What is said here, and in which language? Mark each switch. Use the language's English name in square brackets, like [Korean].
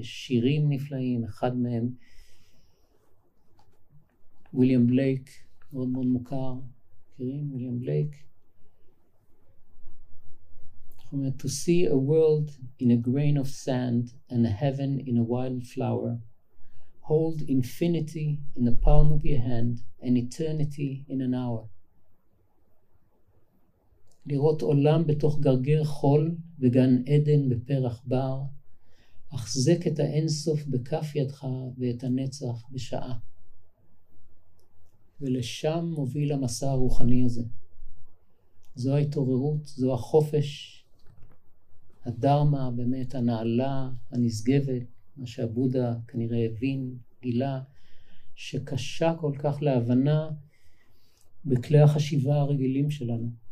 [Hebrew] יש שירים נפלאים, אחד מהם, ויליאם בלייק, מאוד מאוד מוכר, מכירים? ויליאם בלייק. [English] To see a world in a grain of sand and a heaven in a wild flower, hold infinity in the palm of your hand and eternity in an hour. [Hebrew] לראות עולם בתוך גרגר חול וגן עדן בפרח בר, אחזק את האינסוף בכף ידך ואת הנצח בשעה. ולשם מוביל המסע הרוחני הזה. זו ההתעוררות, זו החופש, הדרמה, באמת הנעלה, הנשגבת, מה שהבודה כנראה הבין, גילה, שקשה כל כך להבנה בכלי החשיבה הרגילים שלנו.